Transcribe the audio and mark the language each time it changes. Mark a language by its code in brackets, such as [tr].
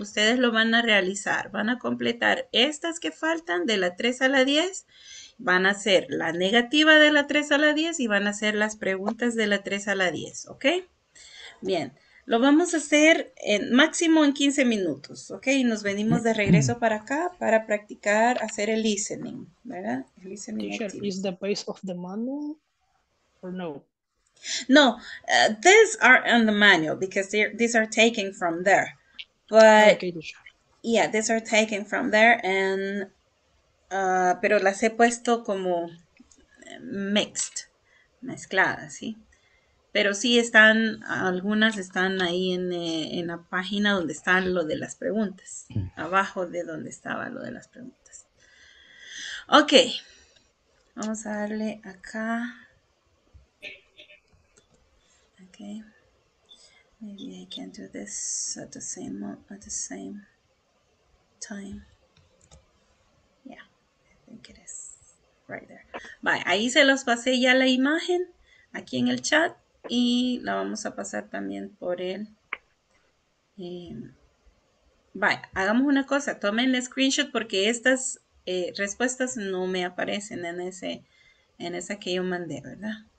[es] Ustedes lo van a realizar, van a completar estas que faltan de la 3 a la 10, van a hacer la negativa de la 3 a la 10 y van a hacer las preguntas de la 3 a la 10, ¿ok? Bien, lo vamos a hacer en máximo en 15 minutos, ¿ok? Y nos venimos de regreso para acá para practicar hacer el listening, ¿verdad? El listening. [en] Teacher, ¿is the base of the manual or no? No, these are on the manual because these are taken from there. But, okay, yeah, these are taken from there and, [es] pero las he puesto como mixed, mezcladas, ¿sí? Pero sí están, algunas están ahí en la página donde están lo de las preguntas, abajo de donde estaba lo de las preguntas. Ok, vamos a darle acá. [en] Okay, maybe I can do this at the same time. Yeah, I think it is right there. [es] Bye, ahí se los pasé ya la imagen aquí en el chat y la vamos a pasar también por él. Bye, hagamos una cosa, tomen el screenshot porque estas respuestas no me aparecen en esa que yo mandé, ¿verdad?